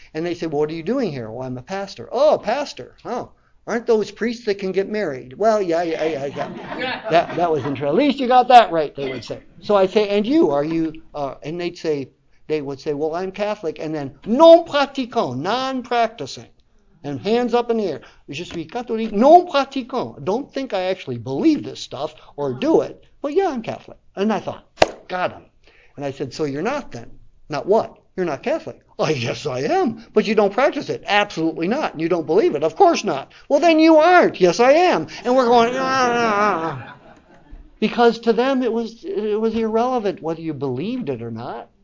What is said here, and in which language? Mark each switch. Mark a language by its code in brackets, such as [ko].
[en] And they say, well, what are you doing here? Well, I'm a pastor. Oh, a pastor. Oh, aren't those priests that can get married? Well, yeah. That was interesting. At least you got that right, they would say. So I say, and you, are you? And they would say, well, I'm Catholic. And then, [fr] non pratiquant, [en] non-practicing. And hands up in the air. [fr] Je suis catholique, non pratiquant. [en] Don't think I actually believe this stuff or do it. But yeah, I'm Catholic. And I thought, got him. And I said, so you're not then? Not what? You're not Catholic. Oh, yes, I am. But you don't practice it. Absolutely not. And you don't believe it. Of course not. Well, then you aren't. Yes, I am. And we're going, ah. Because to them it was irrelevant whether you believed it or not.